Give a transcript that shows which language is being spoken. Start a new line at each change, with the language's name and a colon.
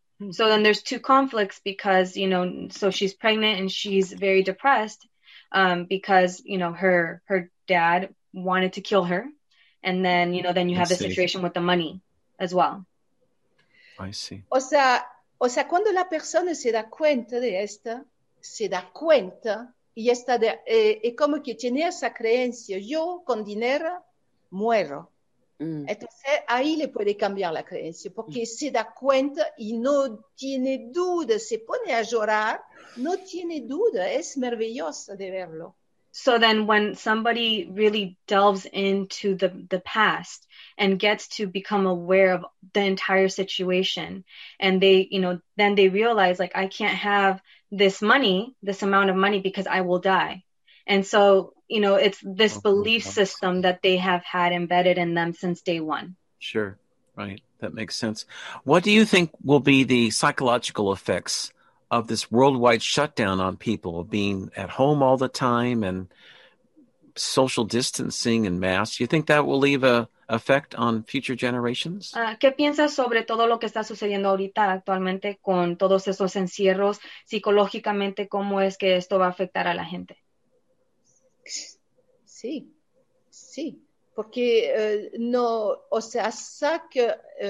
English: So then there's two conflicts because, you know, so she's pregnant and she's very depressed because, you know, her dad wanted to kill her. And then, you know, then you have the situation with the money. As well. I see.
Spanish: O sea, cuando la persona se da cuenta de esto, se da cuenta y está de, es como que tiene esa creencia, yo con dinero muero. Entonces ahí le puede cambiar la creencia, porque se da cuenta y no tiene duda, se pone a llorar, no tiene duda, es maravilloso de verlo.
English: So then when somebody really delves into the past and gets to become aware of the entire situation and they, you know, then they realize like, I can't have this money, this amount of money because I will die. And so, you know, it's this belief system that they have had embedded in them since day one. Sure. Right. That makes sense. What do you think will be the psychological effects of this worldwide shutdown on people being at home all the time and social distancing and masks? Do you think that will leave a effect on future generations?
Spanish: ¿Qué piensas sobre todo lo que está sucediendo ahorita actualmente con todos esos encierros? Psicológicamente, ¿cómo es que esto va a afectar a la gente? Sí, sí. Porque no, o sea, saca...